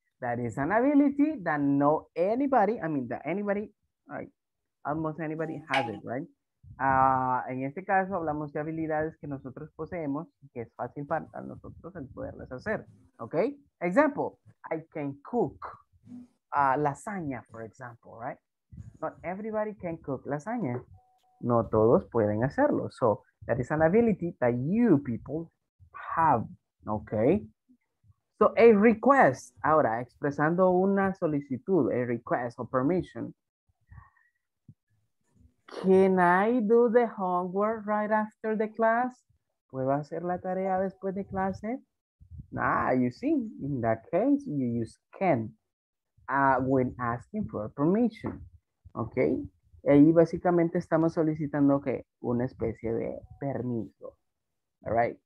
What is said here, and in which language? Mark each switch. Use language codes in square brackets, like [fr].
[en] That is an ability that almost anybody has it, right? [es] En este caso, hablamos de habilidades que nosotros poseemos y que es fácil para nosotros el poderlas hacer, okay? [en] Example, I can cook lasagna, for example, right? Not everybody can cook lasagna. [es] No todos pueden hacerlo. [en] So that is an ability that you people have, okay? So a request, [es] ahora expresando una solicitud, [en] a request or permission. Can I do the homework right after the class? [es] ¿Puedo hacer la tarea después de clase? [en] You see, in that case, you use can when asking for permission, okay? [es] Ahí básicamente estamos solicitando que una especie de permiso, all right?